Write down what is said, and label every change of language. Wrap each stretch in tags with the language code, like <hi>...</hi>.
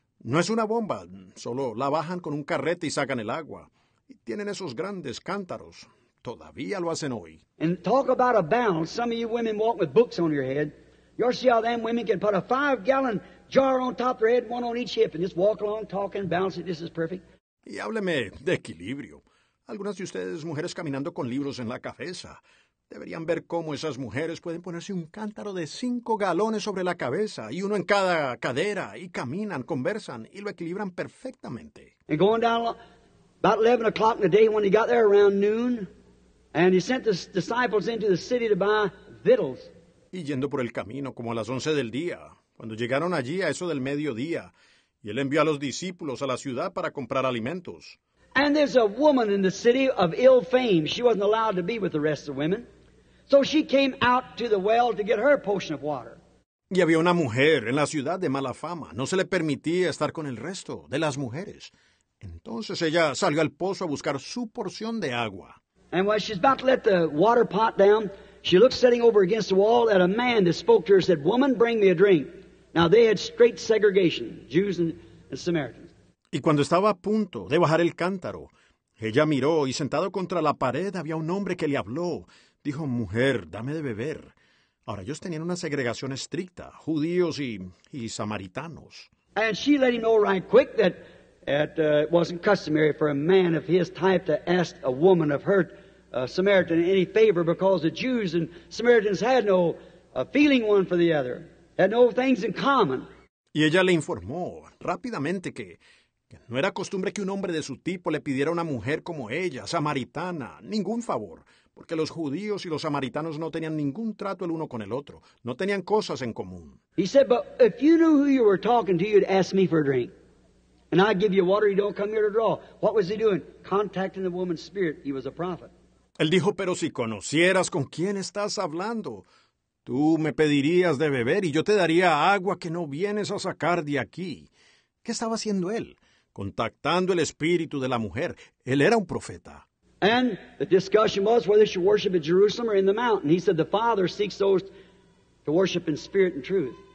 <es>No es una bomba, solo la bajan con un carrete y sacan el agua. Y tienen esos grandes cántaros. Todavía lo hacen hoy.</es> <en>And talk about a balance. Some of you women walk with books on your head. You'll see how them women can put a 5-gallon jar on top of their head, one on each hip, and just walk along talking, balance it. This is perfect.</en> <es>Y hábleme de equilibrio. Algunas de ustedes, mujeres caminando con libros en la cabeza, deberían ver cómo esas mujeres pueden ponerse un cántaro de 5 galones sobre la cabeza y uno en cada cadera y caminan, conversan y lo equilibran perfectamente.</es> <en>And going down about 11 o'clock in the day when he got there around noon, and he sent the disciples into the city to buy victuals.</en> <es>Y yendo por el camino como a las 11 del día, cuando llegaron allí a eso del mediodía, y él envió a los discípulos a la ciudad para comprar alimentos.</es> <en>And there's a woman in the city of ill fame. She wasn't allowed to be with the rest of the women. So she came out to the well to get her portion of water.</en> <es>Y había una mujer en la ciudad de mala fama. No se le permitía estar con el resto de las mujeres. Entonces ella salió al pozo a buscar su porción de agua.</es> <en>And while she's about to let the water pot down, she looked sitting over against the wall at a man that spoke to her and said, "Woman, bring me a drink." Now they had straight segregation, Jews and Samaritans.</en> <es>Y cuando estaba a punto de bajar el cántaro, ella miró y sentado contra la pared había un hombre que le habló. Dijo, mujer, dame de beber. Ahora ellos tenían una segregación estricta, judíos y samaritanos.</es> <en>And she let him know right quick that it wasn't customary for a man of his type to ask a woman of her Samaritan any favor because the Jews and Samaritans had no feeling one for the other, had no things in common.</en> <es>Y ella le informó rápidamente que no era costumbre que un hombre de su tipo le pidiera a una mujer como ella, samaritana, ningún favor, porque los judíos y los samaritanos no tenían ningún trato el uno con el otro, no tenían cosas en común.</es> <en>He said, but if you knew who you were talking to, you'd ask me for a drink. And I'd give you water, you don't come here to draw. What was he doing? Contacting the woman's spirit. He was a prophet.</en> <es>Él dijo, pero si conocieras con quién estás hablando, tú me pedirías de beber y yo te daría agua que no vienes a sacar de aquí. ¿Qué estaba haciendo él? Contactando el espíritu de la mujer. Él era un profeta.</es> <en>And the discussion was whether she worship at Jerusalem or in the mountain. He said the Father seeks those to worship in spirit and truth.</en>